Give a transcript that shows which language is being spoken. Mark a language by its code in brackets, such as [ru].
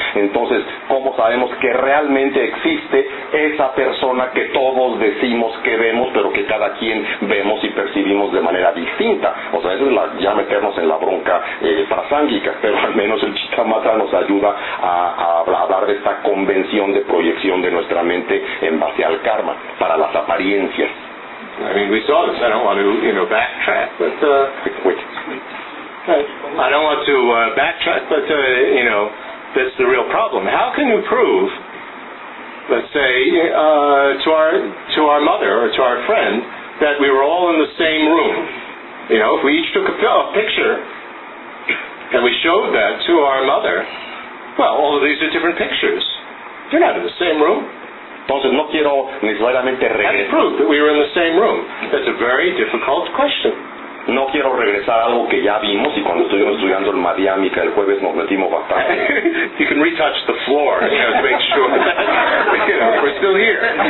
[es] Entonces, ¿cómo sabemos que realmente existe esa persona que todos decimos que vemos, pero que cada quien vemos y percibimos de manera distinta? O sea, esa es la, ya meternos en la bronca prasánguica, pero al menos el chitamata nos ayuda a hablar de esta convención de proyección de nuestra mente en base al karma, para las apariencias. [en] I mean, we saw this. I don't want to, you know, backtrack, but I don't want to backtrack, but you know, that's the real problem. How can you prove, let's say, to our mother or to our friend that we were all in the same room? You know, if we each took a picture and we showed that to our mother, well, all of these are different pictures. You're not in the same room. [es] Entonces, no quiero necesariamente regresar. [en] That's proof that we were in the same room. That's a very difficult question. [es] No quiero regresar a algo que ya vimos y cuando estuvimos estudiando el Madhyamika el jueves nos metimos bastante. [en] You can retouch the floor, you know, to make sure that, you know, we're still here.